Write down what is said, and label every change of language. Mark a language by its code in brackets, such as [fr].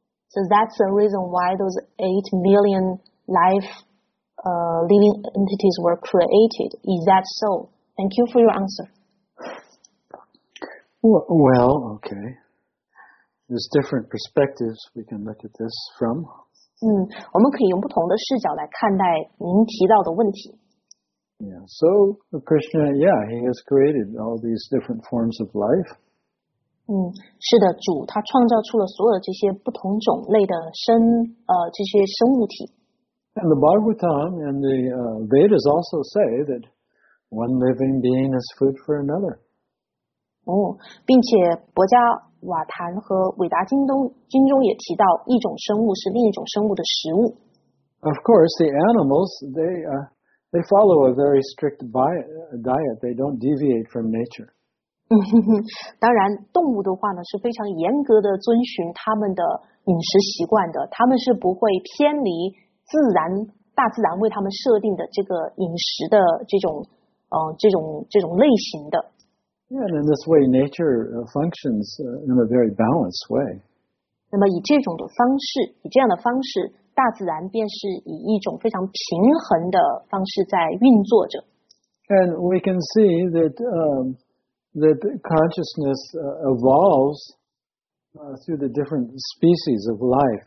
[en] So that's the reason why those 8 million life living entities were created. Is that so? Thank you for your answer. Well, okay. There's different perspectives we can look at this from. [zh] 我们可以用不同的视角来看待您提到的问题。 [en] Yeah, so Krishna, yeah, he has created all these different forms of life. [zh] 是的，主他创造出了所有这些不同种类的这些生物体。 [en] And the Bhagavatam and the Vedas also say that one living being is food for another. [zh] 并且博迦瓦坛和韦达经中也提到，一种生物是另一种生物的食物。 [en] Of course, the animals they follow a very strict diet. They don't deviate from nature. [zh] 当然，动物的话呢是非常严格的遵循他们的饮食习惯的，他们是不会偏离自然大自然为他们设定的这个饮食的这种类型的。 [en] Yeah, and in this way, nature functions in a very balanced way. [zh] 那么以这种的方式，以这样的方式，大自然便是以一种非常平衡的方式在运作着。 [en] And we can see that consciousness evolves through the different species of life.